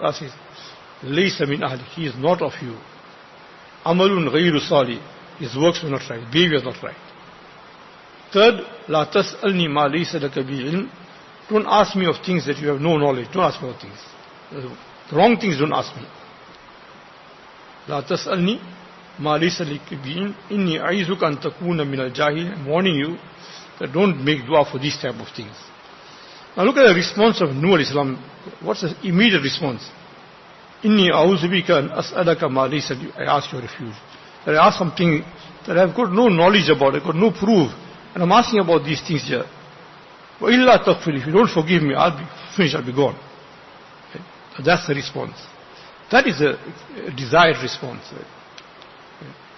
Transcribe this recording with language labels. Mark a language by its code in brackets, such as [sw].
[en] Allah says, [ar] لَيْسَ مِنْ أَهْلِي. [en] He is not of you. Amalun [ar] غير صالح. [en] His works were not right. Behavior is not right. Third, [ar] لا تسألني ما ليس لك به علم. [en] Don't ask me of things that you have no knowledge. Don't ask me of things. The wrong things don't ask me. [ar] لا تسألني ما ليس لك به علم إني أعيذك أن تكون من الجاهلين. [en] I'm warning you that don't make dua for these type of things. Now look at the response of Nuh al-Islam. What's the immediate response? [ar] إني أعوذ بك أن أسألك ما ليس لك. [en] I ask your refuge. That I ask something that I've got no knowledge about, I've got no proof, and I'm asking about these things here. [ar] وَإِلَّا تَغْفِرْ. [en] If you don't forgive me, I'll be finished, I'll be gone. Okay. That's the response. That is a desired response. Okay.